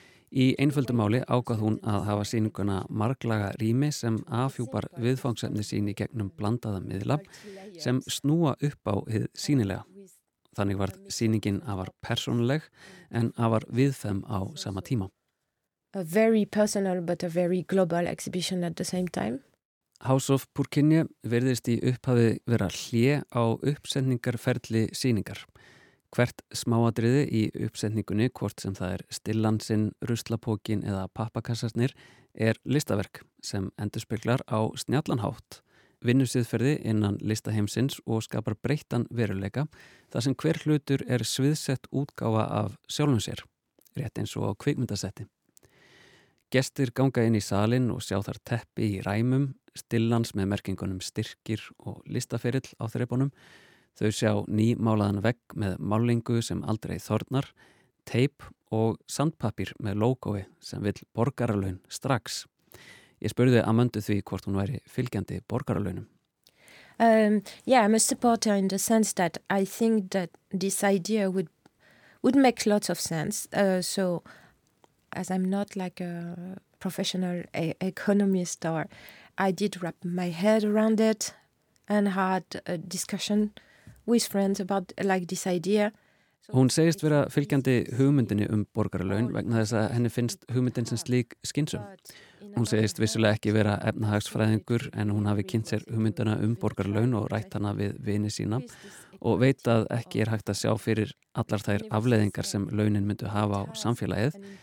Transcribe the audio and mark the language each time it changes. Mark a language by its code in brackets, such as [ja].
[is] Í einföldu máli ákvað hún að hafa sýninguna marglaga rými sem afhjúpar viðfangsefni sín í gegnum blandaða miðla sem snúa upp á hið sýnilega. Þannig varð sýningin afar persónuleg en afar viðfem á sama tíma. [en] A very personal but a very global exhibition at the same time. [is] House of Purkinje virðist í upphafi vera hlé á uppsetningarferli sýningar. Hvert smáatriði í uppsetningunni, hvort sem það er stillansinn, ruslapókin eða pappakassarnir, er listaverk sem endurspeglar á snjallanhátt, vinnusiðferði innan listaheimsins og skapar breyttan veruleika þar sem hver hlutur er sviðsett útgáfa af sjálfum sér, rétt eins og á kvikmyndasetti. Gestir ganga inn í salinn og sjá þar teppi í ræmum, stillans með merkingunum styrkir og listaferill á þrepunum. Þau sjá nýmálaðan vegg með málingu sem aldrei þornar, teip og sandpapír með logoi sem vill borgaralaun strax. Ég spurði Amöndu því hvort hún væri fylgjandi borgaralaunum. [en] Yeah, I'm a supporter in the sense that I think that this idea would make lots of sense. So as I'm not like a professional economist or I did wrap my head around it and had a discussion with friends about like this idea. [is] Hún segist vera fylgjandi hugmyndinni borgaralaun vegna þess að henni finnst hugmyndin sem slík skynsum. Hún segist vissulega ekki vera efnahagsfræðingur en hún hafi kynnt sér hugmyndina borgaralaun og rætt hana við vini sína og veit að ekki er hægt að sjá fyrir allar þær afleiðingar sem launin myndu hafa á samfélagið.